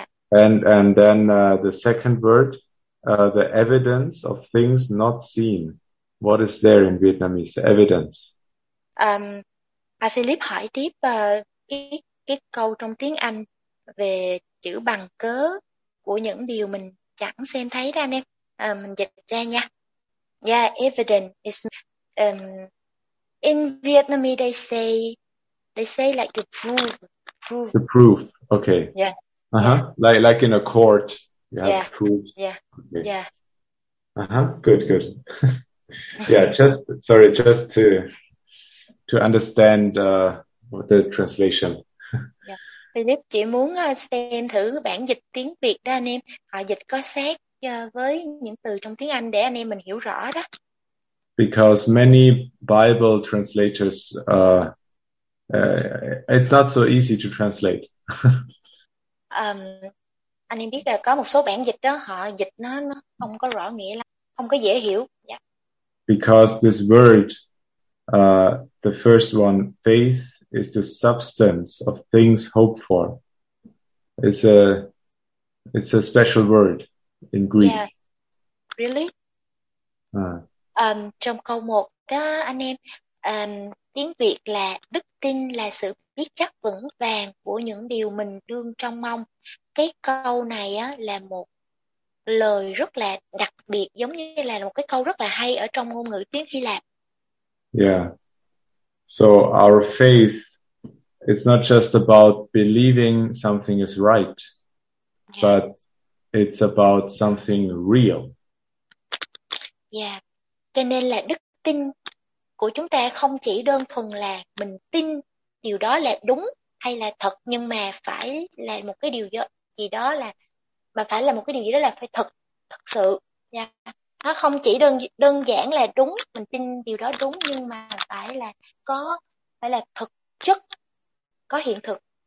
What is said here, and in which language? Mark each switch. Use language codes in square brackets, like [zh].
[en] And then the second word, the evidence of things not seen. What is there in Vietnamese? The evidence. [vi] À Philip hỏi tiếp cái câu trong tiếng Anh về chữ bằng cớ của những điều mình chẳng xem thấy ra anh em. Mình dịch ra nha. [en] Yeah, evidence is in Vietnamese they say like the proof. The proof, okay. Yeah. Yeah. Like in a court, you have Yeah. proofs. Yeah. Okay. Yeah. Good. Yeah, just sorry, just to understand what the translation. [vi] Philip chỉ muốn xem thử bản dịch tiếng Việt đó anh em, họ dịch có sát với những từ trong tiếng Anh để anh em mình hiểu rõ đó. [en] Because many Bible translators it's not so easy to translate. [vi] Anh em biết là có một số bản dịch đó họ dịch nó không có rõ nghĩa lắm, không có dễ hiểu. [en] Because this word, the first one, faith, is the substance of things hoped for. It's a special word in Yeah, Greek. really? [vi] Trong câu 1 đó anh em, tiếng Việt là đức tin là sự biết chắc vững vàng của những điều mình đương trông mong. Cái câu này á là một lời rất là đặc biệt, giống như là một cái câu rất là hay ở trong ngôn ngữ tiếng Hy Lạp. [en] Yeah. So our faith, it's not just about believing something is right, but it's about something real. Yeah. [vi] Cho nên là đức tin của chúng ta không chỉ đơn thuần là mình tin điều đó là đúng hay là thật, nhưng mà phải là một cái điều gì đó là mà phải là một cái điều gì đó là phải thật thật sự nha. Nó không chỉ đơn đơn giản là đúng, mình tin điều đó đúng, nhưng mà phải là thực chất, có hiện thực.